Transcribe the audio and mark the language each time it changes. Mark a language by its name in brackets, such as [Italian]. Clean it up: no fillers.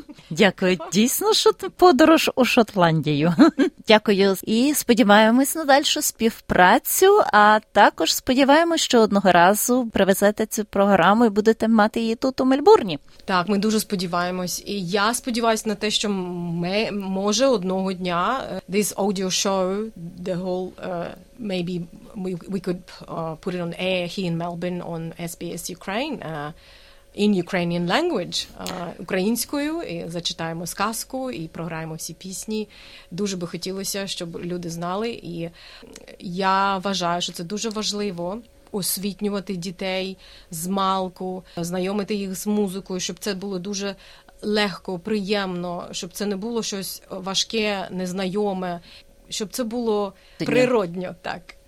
[Ukrainian] Дякую, дійсно, що подорож у Шотландію. Дякую і сподіваємось на дальшу співпрацю, а також сподіваємось, що одного разу привезете цю програму і будете мати її тут у Мельбурні. Так, ми дуже сподіваємось. [English] І я сподіваюся на те, що ми, може, одного дня this audio show, the whole, maybe we could put it on air here in Melbourne on SBS Ukraine. [Ukrainian] in Ukrainian language, українською, і зачитаємо сказку, і програємо всі пісні. Дуже би хотілося, щоб люди знали, і я вважаю, що це дуже важливо освітнювати дітей з малку, знайомити їх з музикою, щоб це було дуже легко, приємно, щоб це не було щось важке, незнайоме, щоб це було природньо, так.